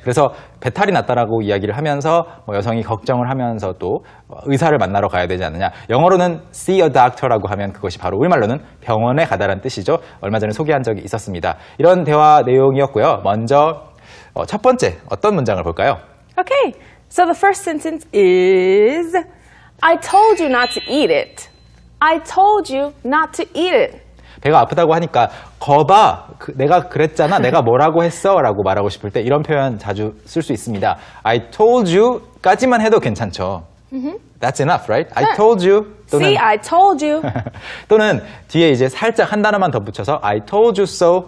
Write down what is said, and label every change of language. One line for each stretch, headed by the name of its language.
Korean: 그래서 배탈이 났다라고 이야기를 하면서 뭐 여성이 걱정을 하면서 또 의사를 만나러 가야 되지 않느냐. 영어로는
English: see a doctor
Korean: 라고 하면 그것이 바로 우리말로는 병원에 가다라는 뜻이죠. 얼마 전에 소개한 적이 있었습니다. 이런 대화 내용이었고요. 먼저 첫 번째 어떤 문장을 볼까요?
English: Okay, so the first sentence is, I told you not to eat it. I told you not to eat it.
Korean: 배가 아프다고 하니까, 거봐, 내가 그랬잖아, 내가 뭐라고 했어? 라고 말하고 싶을 때 이런 표현 자주 쓸 수 있습니다.
English: I told you
Korean: 까지만 해도 괜찮죠.
English: That's enough, right? I told you.
Korean: 또는,
English: See, I told you.
Korean: 또는 뒤에 이제 살짝 한 단어만 덧붙여서
English: I told you so.